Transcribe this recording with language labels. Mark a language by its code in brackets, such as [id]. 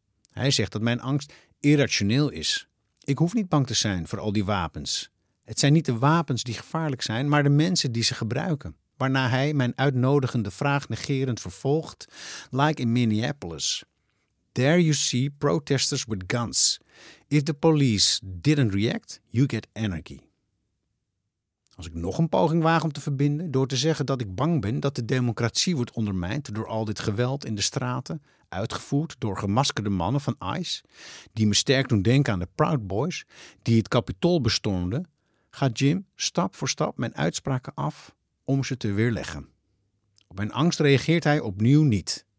[nl] Hij zegt dat mijn angst irrationeel is. Ik hoef niet bang te zijn voor al die wapens. Het zijn niet de wapens die gevaarlijk zijn, maar de mensen die ze gebruiken. Waarna hij mijn uitnodigende vraag negerend vervolgt, [en] like in Minneapolis. There you see protesters with guns. If the police didn't react, you get anarchy. [nl] Als ik nog een poging waag om te verbinden door te zeggen dat ik bang ben dat de democratie wordt ondermijnd door al dit geweld in de straten, uitgevoerd door gemaskerde mannen van ICE, die me sterk doen denken aan de Proud Boys, die het Capitool bestormden, gaat Jim stap voor stap mijn uitspraken af om ze te weerleggen. Op mijn angst reageert hij opnieuw niet